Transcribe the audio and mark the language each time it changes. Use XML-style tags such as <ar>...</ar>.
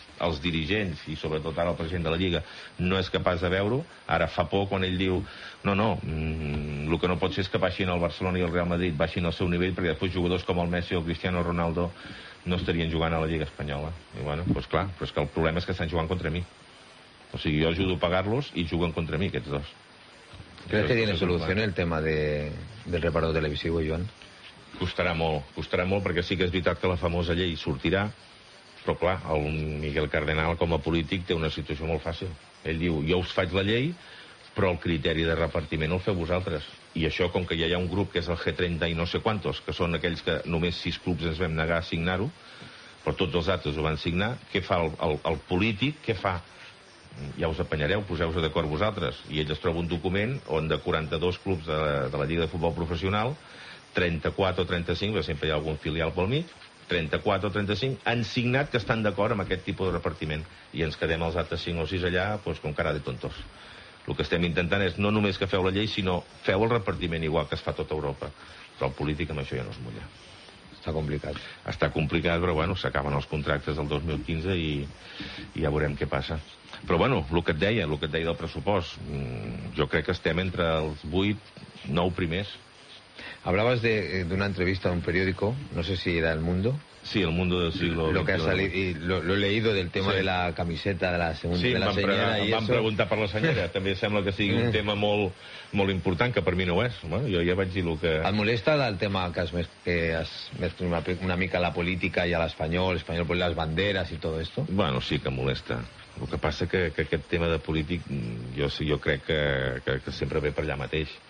<ca>els dirigents, i sobretot ara el president de la Lliga, no és capaç de veure-ho. Ara fa por quan ell diu el que no pot ser és que baixin el Barcelona i el Real Madrid, baixin al seu nivell, perquè després jugadors com el Messi o el Cristiano Ronaldo no estarien jugant a la Lliga Espanyola. I bueno, doncs clar, però és que el problema és que estan jugant contra mi. O sigui, jo ajudo a pagar-los i juguen contra mi, aquests dos.</ca> <es>¿Crees que tiene solución el tema del reparador televisivo, Joan?</es> <ca>Costarà molt, perquè sí que és veritat que la famosa llei sortirà. Però, clar, el Miguel Cardenal, com a polític, té una situació molt fàcil. Ell diu, jo us faig la llei, però el criteri de repartiment el feu vosaltres. I això, com que ja hi ha un grup que és el G30 i no sé quantos, que són aquells que només 6 clubs ens vam negar a signar-ho, però tots els altres ho van signar, què fa el polític, què fa? ja us apanyareu, poseu-vos d'acord vosaltres. I ell es troba un document on de 42 clubs de la Lliga de Futbol Professional, 34 o 35, perquè sempre hi ha algun filial pel mig, 34 o 35 han signat que estan d'acord amb aquest tipus de repartiment. I ens quedem els altres 5 o 6 allà, doncs, com cara de tontos. El que estem intentant és no només que feu la llei, sinó feu el repartiment igual que es fa a tota Europa. Però el polític amb això ja no es mulla. Està complicat. Està complicat, però bueno, s'acaben els contractes del 2015 i ja veurem què passa. Però bueno, el que et deia del pressupost, jo crec que estem entre els 8, 9 primers.</ca> <es>Hablabas d'una entrevista a un periódico, no sé si era El Mundo. Sí, El Mundo del siglo XXI. Lo que ha salido, y lo he leído del tema, sí, de la camiseta de la segunda, sí,</es> <ca>de la senyera. Sí, em van preguntar per la senyera. També sembla que sigui un tema molt, molt important, que per mi no ho és. Bueno, jo ja vaig dir lo que... Et molesta el tema que has mezclat una mica la política i a l'espanyol, l'espanyol, les banderes i tot esto? Bueno, sí que molesta. El que passa que aquest tema de polític, jo crec que sempre ve per allà mateix.</ca>